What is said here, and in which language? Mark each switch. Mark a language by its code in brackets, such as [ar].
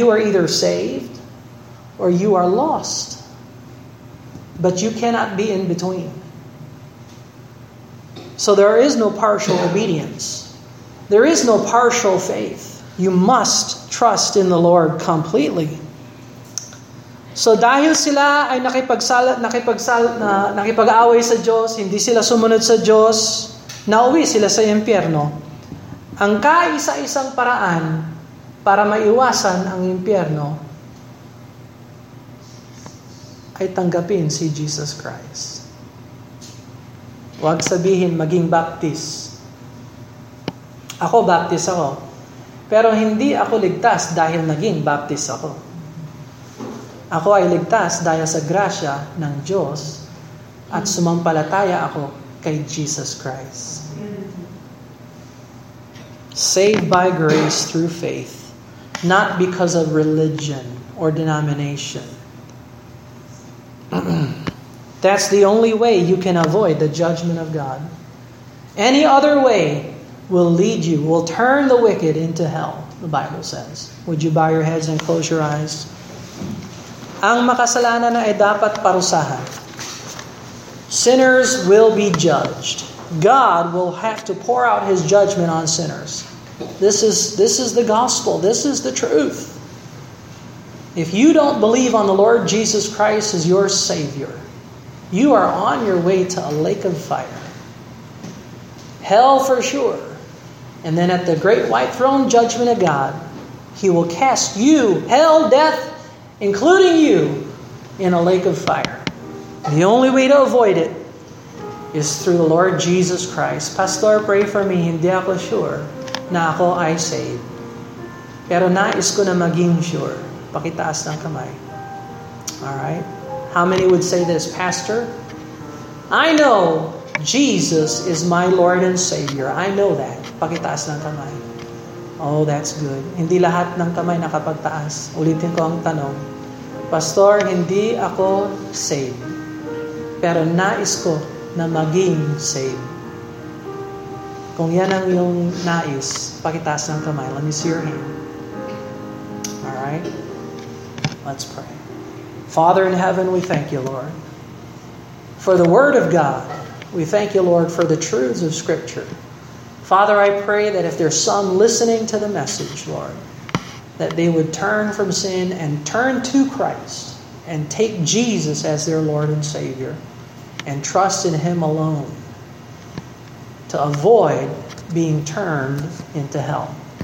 [en] You are either saved or you are lost. But you cannot be in between. So there is no partial obedience. There is no partial faith. You must trust in the Lord completely. [tl] So dahil sila ay nakipag-away sa Diyos, hindi sila sumunod sa Diyos, nauwi sila sa impyerno. Ang kaisa-isang paraan para maiwasan ang impyerno ay tanggapin si Jesus Christ. Huwag sabihin maging Baptist. Ako, Baptist ako. Pero hindi ako ligtas dahil naging Baptist ako. Ako ay ligtas dahil sa grasya ng Diyos at sumampalataya ako kay Jesus Christ. [en] Saved by grace through faith, not because of religion or denomination. That's the only way you can avoid the judgment of God. Any other way will lead you, will turn the wicked into hell, the Bible says. Would you bow your heads and close your eyes? [tl] Ang makasalanan ay dapat parusahan. [en] Sinners will be judged. God will have to pour out His judgment on sinners. This is the gospel. This is the truth. If you don't believe on the Lord Jesus Christ as your Savior, you are on your way to a lake of fire. Hell for sure. And then at the great white throne judgment of God, He will cast you, hell, death, including you, in a lake of fire. The only way to avoid it is through the Lord Jesus Christ. Pastor, pray for me. [tl] Hindi ako sure na ako ay saved. Pero nais ko na maging sure. Pakitaas ng kamay. [en] All right? How many would say this? Pastor, I know Jesus is my Lord and Savior. I know that. [tl] Pakitaas ng kamay. [en] Oh, that's good. [tl] Hindi lahat ng kamay nakapagtaas. Ulitin ko ang tanong. Pastor, hindi ako saved. Pero nais ko na maging saved. Kung yan ang iyong nais, pakitaas ng kamay. [en] Let me see your hand. Alright? Let's pray. Father in heaven, we thank you, Lord. For the word of God, we thank you, Lord, for the truths of Scripture. Father, I pray that if there's some listening to the message, Lord, that they would turn from sin and turn to Christ and take Jesus as their Lord and Savior and trust in Him alone to avoid being turned into hell.